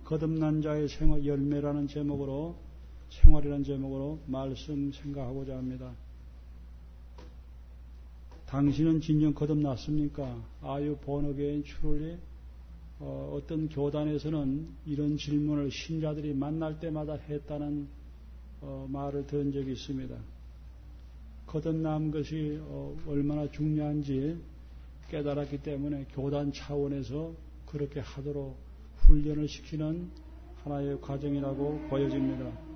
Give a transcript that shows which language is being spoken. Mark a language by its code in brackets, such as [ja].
[ko] 거듭난 자의 생활 열매라는 제목으로 생활이라는 제목으로 말씀 생각하고자 합니다. 당신은 진정 거듭났습니까? [en] Are you born again truly? [ko] 어떤 교단에서는 이런 질문을 신자들이 만날 때마다 했다는 말을 들은 적이 있습니다. 거듭난 것이 얼마나 중요한지 깨달았기 때문에 교단 차원에서 그렇게 하도록 훈련을 시키는 하나의 과정이라고 보여집니다.